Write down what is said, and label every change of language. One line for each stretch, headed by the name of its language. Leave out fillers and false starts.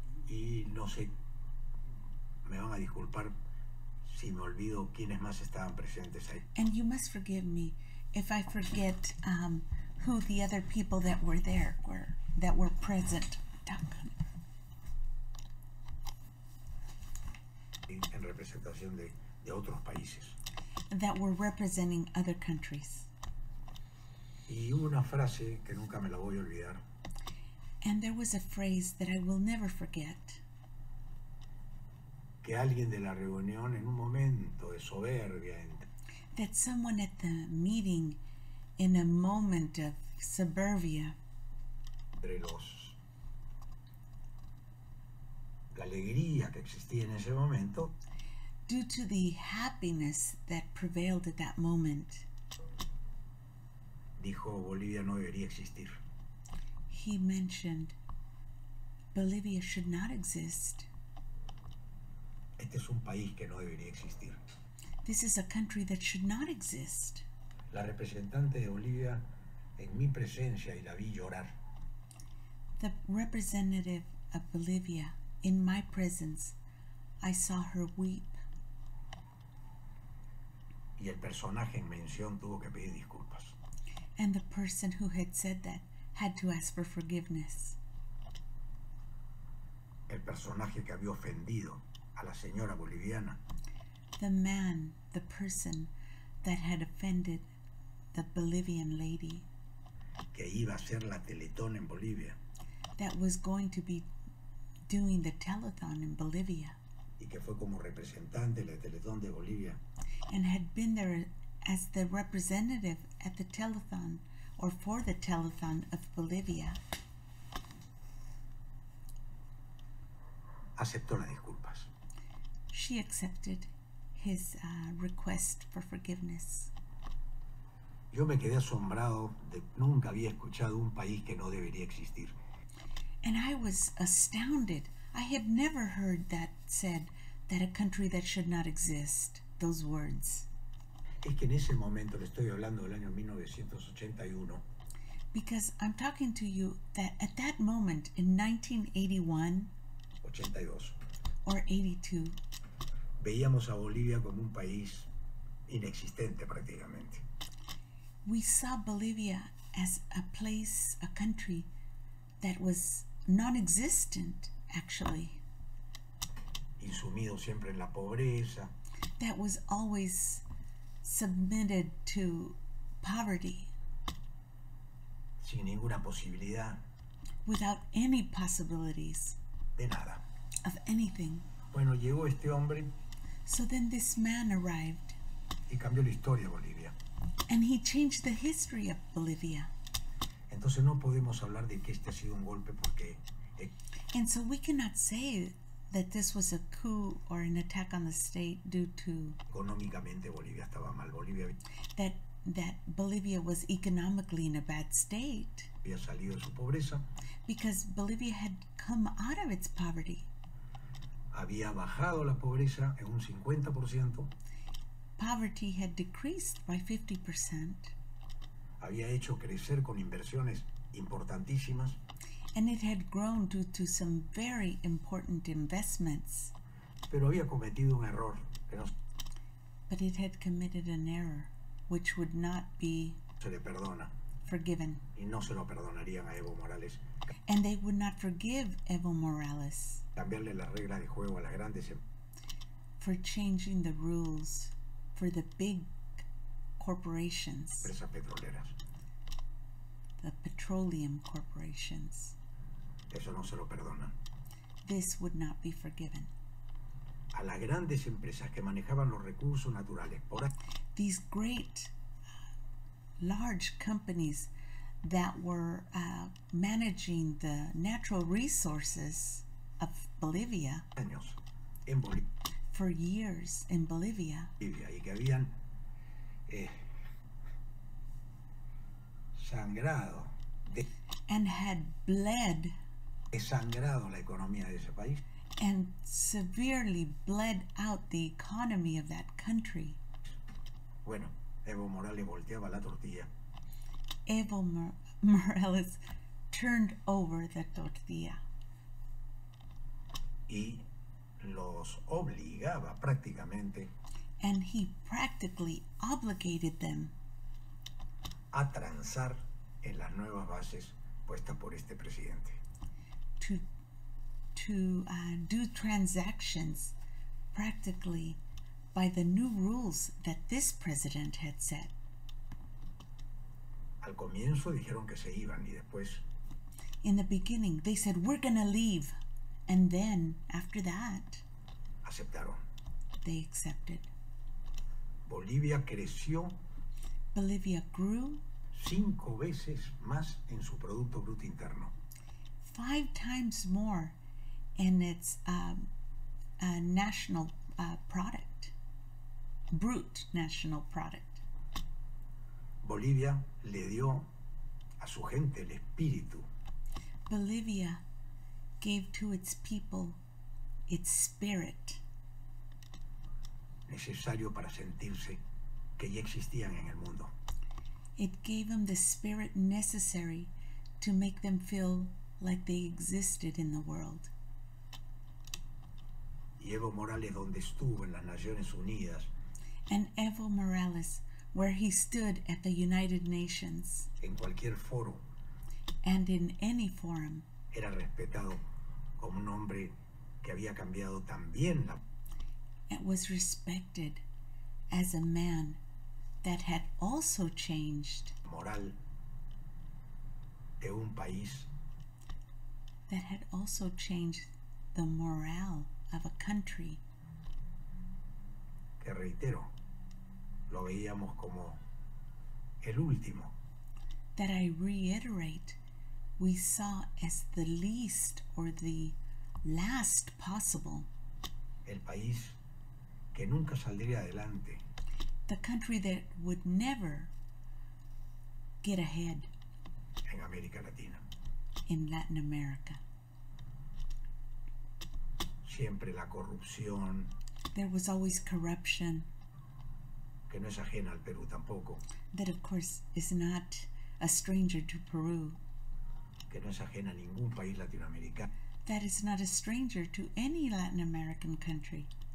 Spanish: Y no sé, me van a disculpar si me olvido quiénes más estaban presentes ahí.
English: And you must forgive me if I forget who the other people that were there were, that were present.
Spanish: En representación de otros países.
English: That were representing other countries.
Spanish: Y hubo una frase que nunca me la voy a olvidar.
English: And there was a phrase that I will never forget.
Spanish: Que alguien de la reunión en un momento de soberbia.
English: That someone at the meeting in a moment of suburbia.
Spanish: Entre los la alegría que existía en ese momento.
English: Due to the happiness that prevailed at that moment.
Spanish: Dijo Bolivia no debería existir.
English: He mentioned Bolivia should not exist.
Spanish: Este es un país que no debería existir.
English: This is a country that should not exist.
Spanish: La representante de Bolivia en mi presencia y la vi llorar.
English: The representative of Bolivia in my presence, I saw her weep.
Spanish: Y el personaje en mención tuvo que pedir disculpas.
English: And the person who had said that had to ask for forgiveness.
Spanish: El personaje que había ofendido a la señora boliviana.
English: The man, the person that had offended the Bolivian lady.
Spanish: Que iba a hacer la Teletón en Bolivia.
English: That was going to be doing the telethon in Bolivia.
Spanish: y que fue como representante de la Teletón de Bolivia.
English: And had been there as the representative at the Telethon, or for the Telethon of Bolivia.
Spanish: Aceptó las disculpas.
English: She accepted his request for forgiveness.
Spanish: Yo me quedé asombrado de nunca había escuchado un país que no debería existir.
English: And I was astounded. I had never heard that said, that a country that should not exist, those words.
Spanish: Es que en ese momento le estoy hablando del año 1981.
English: Because I'm talking to you that at that moment in 1982,
Spanish: veíamos a Bolivia como un país inexistente prácticamente.
English: We saw Bolivia as a place, a country that was non-existent, actually.
Spanish: Insumido siempre en la pobreza.
English: That was always submitted to poverty.
Spanish: Sin ninguna posibilidad.
English: Without any possibilities.
Spanish: De nada.
English: Of anything.
Spanish: Bueno, llegó este hombre.
English: So then this man arrived.
Spanish: Y cambió la historia de Bolivia.
English: And he changed the history of Bolivia.
Spanish: Entonces no podemos hablar de que este ha sido un golpe porque...
English: And so we cannot say that this was a coup or an attack on the state due to...
Spanish: Económicamente Bolivia estaba mal. Bolivia...
English: That Bolivia was economically in a bad state.
Spanish: Había salido de su pobreza.
English: Because Bolivia had come out of its poverty.
Spanish: Había bajado la pobreza en un 50%.
English: Poverty had decreased by 50%.
Spanish: Había hecho crecer con inversiones importantísimas.
English: And it had grown due to some very important investments.
Spanish: Pero había cometido un error que no...
English: But it had committed an error which would not be
Spanish: se le perdona.
English: Forgiven.
Spanish: Y no se lo perdonarían a Evo Morales.
English: And they would not forgive Evo Morales.
Spanish: Cambiarle la regla de juego a las grandes...
English: For changing the rules for the big corporations,
Spanish: empresas petroleras,
English: the petroleum corporations.
Spanish: Eso no se lo perdonan.
English: This would not be forgiven.
Spanish: A las grandes empresas que manejaban los recursos naturales. Por...
English: These great, large companies that were managing the natural resources of Bolivia.
Spanish: Años en Bolivia.
English: For years in Bolivia.
Spanish: Y que habían sangrado de,
English: and had bled
Spanish: sangrado la economía de ese país,
English: and severely bled out the economy of that country.
Spanish: Bueno, Evo Morales volteaba la tortilla.
English: Evo Morales turned over the tortilla.
Spanish: Y los obligaba prácticamente,
English: and he practically obligated them,
Spanish: a transar en las nuevas bases puestas por este presidente,
English: to do transactions practically by the new rules that this president had set.
Spanish: Al comienzo dijeron que se iban y después,
English: in the beginning they said we're gonna leave. And then, after that,
Spanish: aceptaron.
English: They accepted.
Spanish: Bolivia creció.
English: Bolivia grew.
Spanish: 5 veces más en su producto bruto interno.
English: 5 times more in its national product. Brute national product.
Spanish: Bolivia le dio a su gente el espíritu.
English: Bolivia gave to its people its spirit,
Spanish: necesario para sentirse que ya existían en el mundo.
English: It gave them the spirit necessary to make them feel like they existed in the world.
Spanish: Y Evo Morales, donde estuvo en las Naciones Unidas,
English: and Evo Morales, where he stood at the United Nations,
Spanish: en cualquier foro,
English: and in any forum,
Spanish: era respetado como un hombre que había cambiado también la...
English: It was respected as a man that had also changed
Spanish: moral de un país,
English: that had also changed the morale of a country.
Spanish: que reitero, lo veíamos como el último.
English: That I reiterate, we saw as the least or the last possible.
Spanish: El país que nunca saldría adelante.
English: The country that would never get ahead.
Spanish: En América Latina.
English: In Latin America.
Spanish: Siempre la corrupción.
English: There was always corruption.
Spanish: Que no es ajena al Perú tampoco.
English: That of course is not a stranger to Peru.
Spanish: Que no es ajena a ningún país latinoamericano.
English: That is not a stranger to any Latin American country.